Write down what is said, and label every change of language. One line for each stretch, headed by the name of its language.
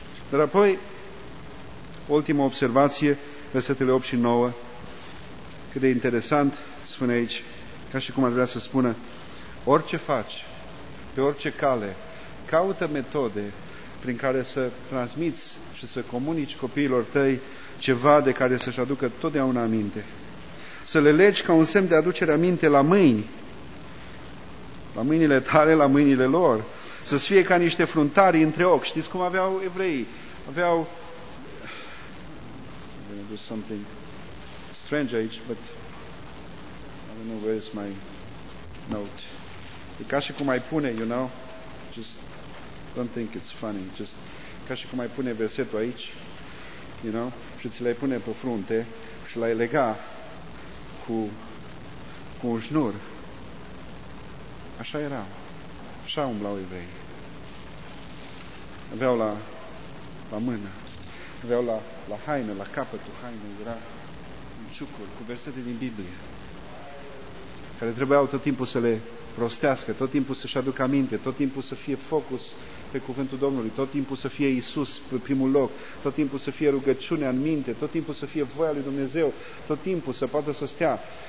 Romanian: Dar apoi, ultima observație, versetele 8 și 9, cât de interesant spune aici, ca și cum ar vrea să spună, orice faci, pe orice cale, caută metode prin care să transmiți și să comunici copiilor tăi ceva de care să-și aducă totdeauna aminte. Să le legi ca un semn de aducere aminte la mâini, la mâinile tale, la mâinile lor, să-ți fie ca niște fruntari între ochi. Știți cum aveau evreii? Aveau...
English: I'm going to do something strange
Romanian: aici,
English: but I don't know where is my note.
Romanian: E ca și cum ai pune,
English: you know, just don't think it's funny, just
Romanian: ca și cum ai pune versetul aici,
English: you know,
Romanian: și ți l-ai pune pe frunte și l-ai lega cu un șnur. Așa erau, așa umblau evrei. Aveau la mână, aveau la haină, la capătul hainei, era un ciucur cu versete din Biblie, care trebuiau tot timpul să le prostească, tot timpul să-și aducă aminte, tot timpul să fie focus pe cuvântul Domnului, tot timpul să fie Iisus pe primul loc, tot timpul să fie rugăciunea în minte, tot timpul să fie voia lui Dumnezeu, tot timpul să poată să stea.